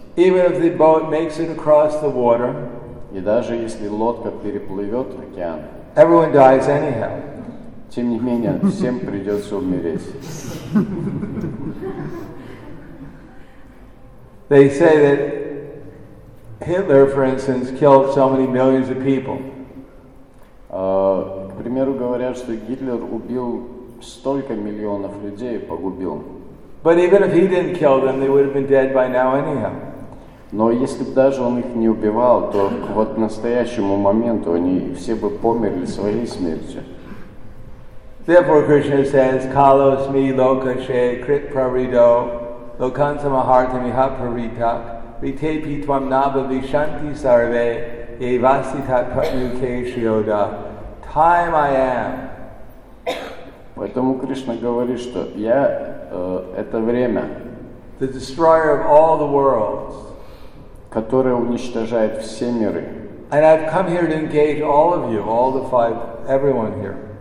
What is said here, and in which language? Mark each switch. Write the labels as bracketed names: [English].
[English] even if the boat makes it across the water, [Russian] и даже если лодка переплывет в океан, [English] everyone dies anyhow. [Russian] Тем не менее, всем придется умереть. [English] They say that Hitler, for instance, killed so many millions of people. [Russian] К примеру, говорят, что Гитлер убил столько миллионов людей, погубил. [English] But even if he didn't kill them, they would have been dead by now anyhow. [Russian] Но если бы даже он их не убивал, то вот к настоящему моменту они все бы померли своей смертью. [English] Therefore Krishna says, [Sanskrit] Kalo smi lokashe krit prarido lokansa mahartam iha prarita ritepi tvam nabha vishanti sarve evasita katnuke shioda. [English] Time I am. [Russian] Поэтому Кришна говорит, что я это время. [English] The destroyer of all the worlds. [Russian] Которая уничтожает все миры. [English] And I've come here to engage all of you, all the five, everyone here.